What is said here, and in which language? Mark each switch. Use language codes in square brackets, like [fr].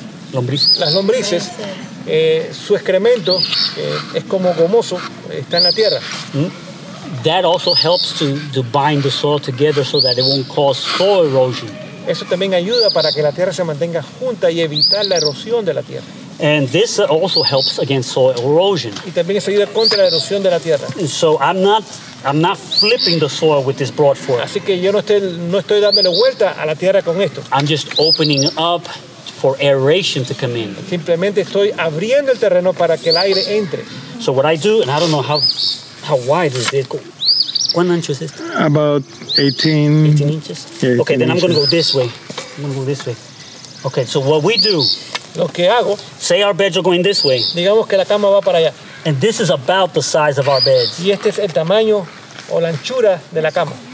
[es] Las lombrices, su excremento es como gomoso, está en la tierra. [en] That also helps to bind the soil together so that it won't cause soil erosion. [es] Eso también ayuda para que la tierra se mantenga junta y evitar la erosión de la tierra. [en] And this also helps against soil erosion. [es] Y también eso ayuda contra la erosión de la tierra. [en] So I'm not flipping the soil with this broad fork. [es] Así que yo no estoy dándole vuelta a la tierra con esto. [en] I'm just opening up for aeration to come in. [es] Simplemente estoy abriendo el terreno para que el aire entre. [en] So what I do, and I don't know how wide is it. [es] ¿Cuán ancho es esto? [en] About 18. 18 inches? Yeah, 18 okay, then inches. I'm going to go this way. I'm going to go this way. Okay, so what we do. [es] Lo que hago. [en] Say our beds are going this way. [es] Digamos que la cama va para allá. [en] And this is about the size of our beds. [es] Y este es el tamaño o la anchura de la cama.